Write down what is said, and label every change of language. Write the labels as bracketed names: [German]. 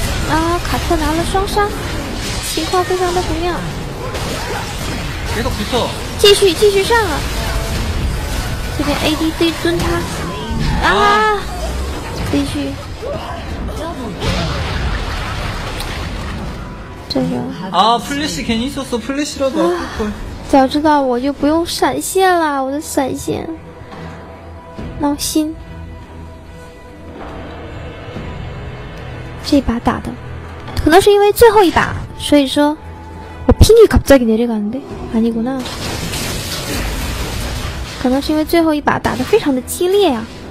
[Chinese] 啊，卡特拿了双杀，情况非常的不妙。别动，别动。继续，继续上啊！这边 AD 对尊他，啊，继续。这个。 [Korean] 啊，플래시괜히있었어플래시라도 [Chinese] 早知道我就不用闪现了，我的闪现，闹心。这把打的可能是因为最后一把，所以说我 [Korean] 핑이갑자기내려가는데아니구나 [Chinese] 可能是因为最后一把打得非常的激烈啊。